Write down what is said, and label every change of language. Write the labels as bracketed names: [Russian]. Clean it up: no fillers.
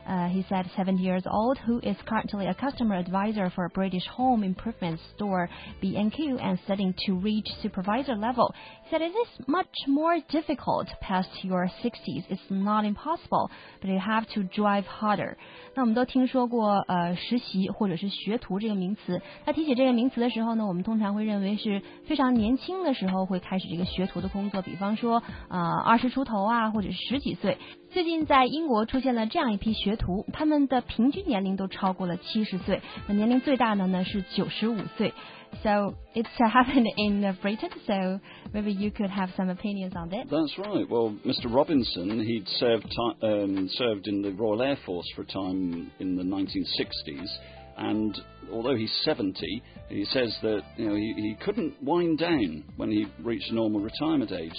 [English] He said 70 years old, who is currently a customer advisor for a British home improvement store, B&Q, and studying to reach supervisor level. He said, it is much more difficult past your 60s. It's not impossible, but you have to drive harder. [Chinese] 那我们都听说过实习或者是学徒这个名词。那提起这个名词的时候呢，我们通常会认为是非常年轻的时候会开始这个学徒的工作，比方说二十出头啊，或者是十几岁。最近在英国出现了这样一批学徒，他们的平均年龄都超过了70岁，那年龄最大的呢是95岁。 [English] So it's happened in Britain, so maybe you could have some opinions on that. That's right. Well, Mr. Robinson, he'd served in the Royal Air Force for a time in the 1960s, and although he's 70, he says that, you know, he couldn't wind down when he reached normal retirement age.